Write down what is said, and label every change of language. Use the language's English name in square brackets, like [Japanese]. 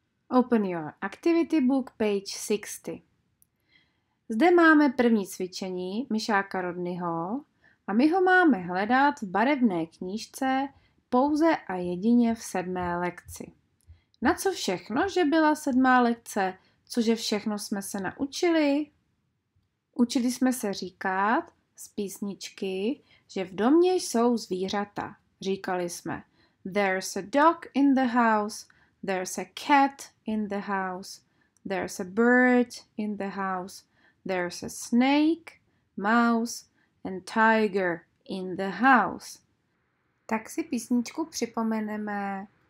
[English] Open your activity book, page 60. [Czech] Zde máme první cvičení Mišáka Rodnyho a my ho máme hledat v barevné knížce pouze a jedině v 7. lekci. Na co všechno, že byla 7. lekce, cože všechno jsme se naučili? Učili jsme se říkat z písničky, že v domě jsou zvířata. Říkali jsme, [English] there's a dog in the house, there's a cat in the house, there's a bird in the house, there's a snake, mouse and tiger in the house. [Czech] Tak si písničku připomeneme.